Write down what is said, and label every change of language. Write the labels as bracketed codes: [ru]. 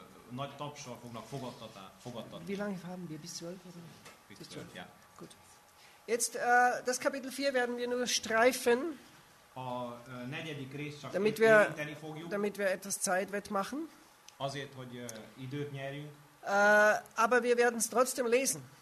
[hu] Nagy tapssal fognak fogadtatni. [de] Wie lange haben wir? Bis 12? Bis 12, ja. Gut. Jetzt, das Kapitel 4 werden wir nur streifen, damit wir etwas Zeit wettmachen. [hu] Azért, hogy időt nyerjünk. [de] Aber wir werden es trotzdem lesen.